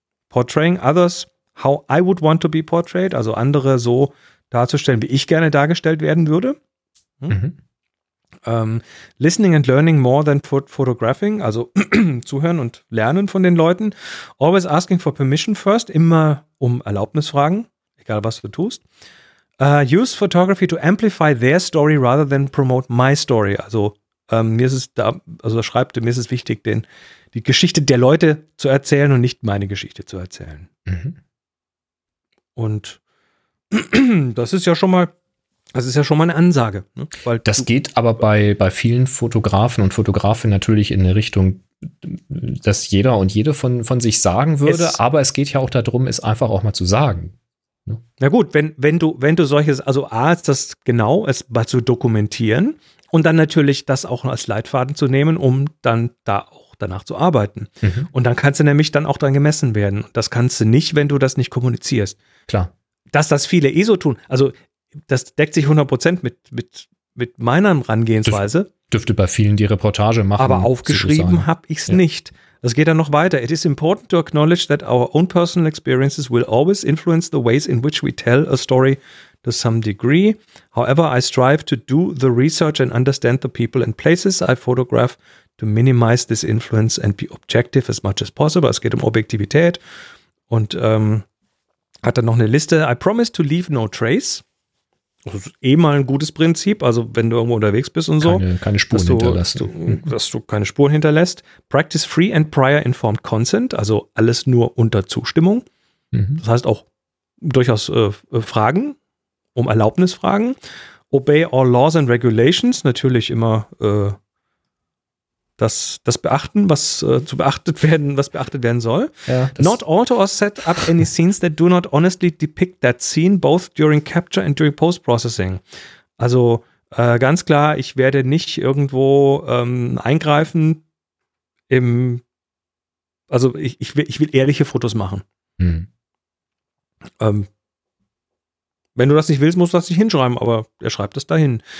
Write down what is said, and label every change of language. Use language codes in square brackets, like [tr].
[en] Portraying others how I would want to be portrayed. [de] Also andere so darzustellen, wie ich gerne dargestellt werden würde. [en] Listening and learning more than photographing, [de] also zuhören und lernen von den Leuten. [en] Always asking for permission first, [de] immer um Erlaubnis fragen, egal was du tust. [en] Use photography to amplify their story rather than promote my story. [de] Also mir ist es wichtig, die Geschichte der Leute zu erzählen und nicht meine Geschichte zu erzählen. Und das ist ja schon mal eine Ansage. Ne? Weil das geht aber bei vielen Fotografen und Fotografinnen natürlich in eine Richtung, dass jeder und jede von sich sagen würde. Aber es geht ja auch darum, es einfach auch mal zu sagen. Ne? Na gut, wenn du solches, also A, ist das genau, es mal zu dokumentieren und dann natürlich das auch als Leitfaden zu nehmen, um dann da auch danach zu arbeiten. Und dann kannst du nämlich dann auch dran gemessen werden. Das kannst du nicht, wenn du das nicht kommunizierst. Klar. Dass das viele eh so tun, also das deckt sich 100% mit meiner Herangehensweise. Dürfte bei vielen die Reportage machen. Aber aufgeschrieben habe ich es nicht. Das geht dann noch weiter. [en] It is important to acknowledge that our own personal experiences will always influence the ways in which we tell a story to some degree. However, I strive to do the research and understand the people and places I photograph to minimize this influence and be objective as much as possible. [de] Es geht um Objektivität. Und hat dann noch eine Liste. [en] I promise to leave no trace. [de] Das ist eh mal ein gutes Prinzip, also wenn du irgendwo unterwegs bist und so. Keine Spuren hinterlässt. Dass du keine Spuren hinterlässt. [en] Practice free and prior informed consent, [de] also alles nur unter Zustimmung. Das heißt auch durchaus Fragen, um Erlaubnis fragen. [en] Obey all laws and regulations, [de] natürlich immer das beachten, was beachtet werden soll. Ja, [en] not alter or set up any scenes that do not honestly depict that scene, both during capture and during post-processing. [de] Also ganz klar, ich werde nicht irgendwo eingreifen im, also ich will ehrliche Fotos machen. Wenn du das nicht willst, musst du das nicht hinschreiben, aber er schreibt es dahin.